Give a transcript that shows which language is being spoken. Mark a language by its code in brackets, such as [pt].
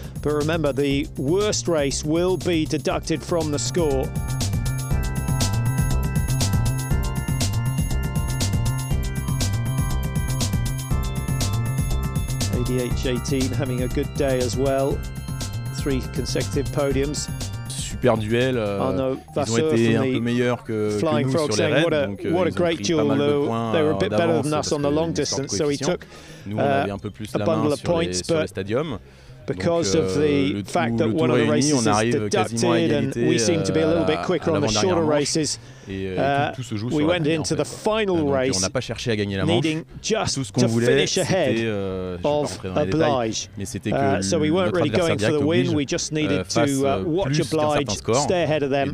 [en] But remember, the worst race will be deducted from the score. ADH18 having a good day as well. 3 consecutive podiums. [fr] Super duel, ils ont été un peu meilleurs que nous sur les raids, donc ils ont pris pas mal de points d'avance parce qu'ils sont sur le long distance, donc ils ont nous on avait un peu plus la main sur les stadiums. [en] Because of the fact that one of the races is deducted and we seem to be a little bit quicker on the shorter races, we went into the final race needing just to finish ahead of Oblige. So we weren't really going for the win, we just needed to watch Oblige stay ahead of them.